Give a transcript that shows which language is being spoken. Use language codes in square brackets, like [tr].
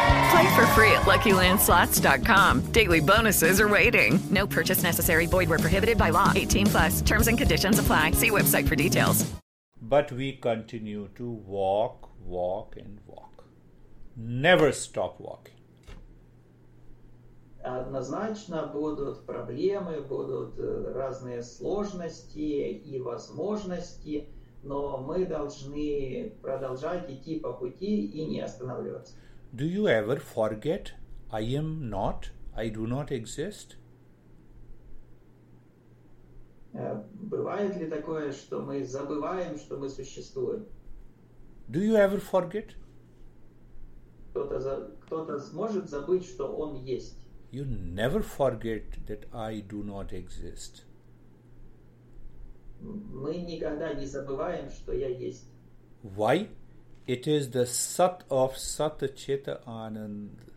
[en] Play for free at LuckyLandSlots.com. Daily bonuses are waiting. No purchase necessary. Void where prohibited by law. 18 plus. Terms and conditions apply. See website for details. But we continue to walk, walk, and walk. Never stop walking. [ru] Однозначно будут проблемы, будут разные сложности и возможности, но мы должны продолжать идти по пути и не останавливаться. [en] Do you ever forget, I am not, I do not exist? [ru] Бывает ли такое, что мы забываем, что мы существуем? [en] Do you ever forget? [ru] Кто-то сможет забыть, что он есть. [en] You never forget that I do not exist. [ru] Мы никогда не забываем, что я есть. [en] Why? It is the Sat of Sat Chit Anand.